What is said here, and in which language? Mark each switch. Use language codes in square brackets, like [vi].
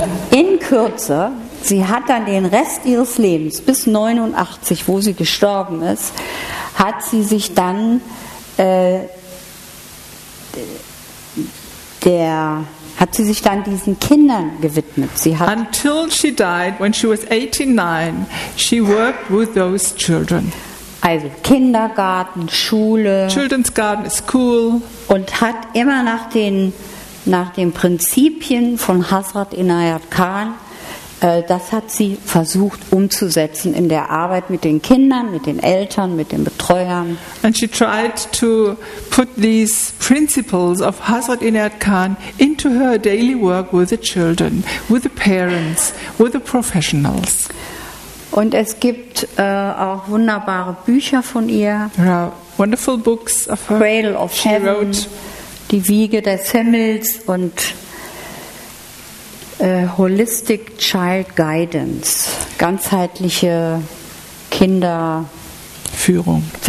[de] In Kürze, sie hat dann den Rest ihres Lebens, bis 89, wo sie gestorben ist, hat sie sich dann diesen Kindern gewidmet. Sie hat [en] until she died, when she was 89, she worked with those children. [de] Also Kindergarten, Schule. [en] Children's garden, school. [de] Und hat immer nach den Prinzipien von Hazrat Inayat Khan, das hat sie versucht umzusetzen in der Arbeit mit den Kindern, mit den Eltern, mit den Betreuern. [en] And she tried to put these principles of Hazrat Inayat Khan into her daily work with the children, with the parents, with the professionals. [de] Und es gibt auch wunderbare Bücher von ihr. [en] There are wonderful books of her. Cradle of she Heaven. Wrote [de] Die Wiege des Himmels und Holistic Child Guidance, ganzheitliche Kinderführung.